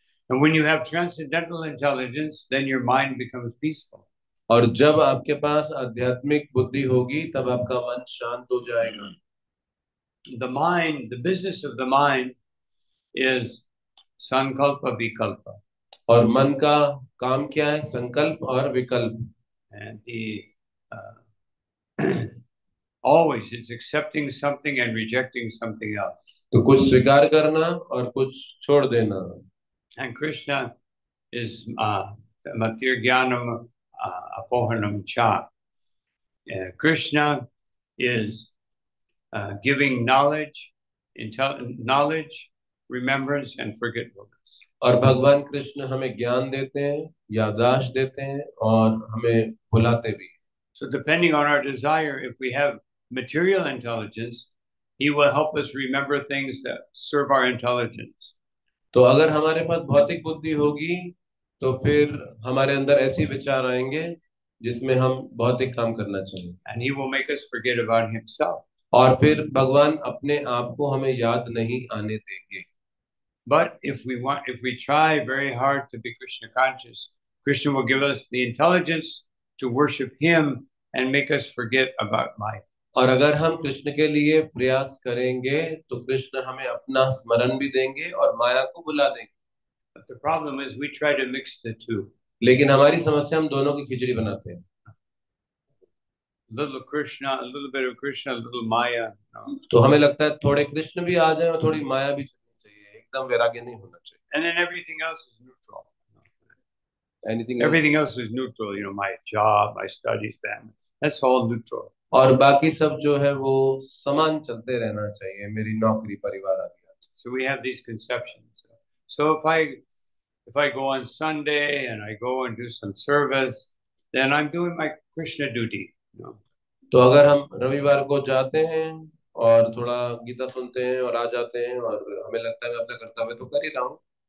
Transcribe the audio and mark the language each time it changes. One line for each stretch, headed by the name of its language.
English: and when you have transcendental intelligence then your mind becomes peaceful
Hindi: और जब आपके पास आध्यात्मिक बुद्धि होगी तब आपका मन शांत हो जाएगा
English: The mind, the business of the mind is sankalpa vikalpa.
Hindi: और मन का काम क्या है संकल्प और विकल्प
English: And the, always it's accepting something and rejecting something else.
Hindi: तो कुछ स्वीकार करना और कुछ छोड़ देना
English: And Krishna is
Sanskrit: matir gyanam apohanam cha
English: krishna is giving knowledge, knowledge, remembrance, and forgetfulness.
Hindi: और भगवान कृष्ण हमें ज्ञान देते हैं, याददाश्त देते हैं और हमें भुलाते भी.
English: So depending on our desire, if we have material intelligence, he will help us remember things that serve our intelligence.
Hindi: तो अगर हमारे पास भौतिक बुद्धि होगी, तो फिर हमारे अंदर ऐसे विचार आएंगे जिसमें हम भौतिक काम करना चाहें.
English: And he will make us forget about himself.
Hindi: और फिर भगवान अपने आप को हमें याद नहीं आने देंगे.
English: But if we try very hard to be Krishna conscious, Krishna will give us the intelligence to worship him and make us forget about Maya.
Hindi: और अगर हम कृष्ण के लिए प्रयास करेंगे तो कृष्ण हमें अपना स्मरण भी देंगे और माया को भुला देंगे.
English: But the problem is we try to mix the two.
Hindi: लेकिन हमारी समस्या हम दोनों की खिचड़ी बनाते हैं.
English: Little Krishna, a little bit of Krishna, a little Maya.
Hindi: तो हमें लगता है थोड़े कृष्ण भी आ जाए और थोड़ी माया भी चलनी चाहिए. एकदम वैराग्य नहीं होना चाहिए.
English: And then everything else is neutral. Anything everything else? Else is neutral. You know, my job, my studies, family. That's all neutral.
Hindi: और बाकी सब जो है वो समान चलते रहना चाहिए. मेरी नौकरी परिवार आदि.
English: So we have these conceptions. So if I go on Sunday and I go and do some service, then I'm doing my Krishna duty.
Hindi: तो अगर हम रविवार को जाते हैं और थोड़ा गीता सुनते हैं और आ जाते हैं और हमें लगता है मैं अपना कर्तव्य तो कर ही रहा हूँ.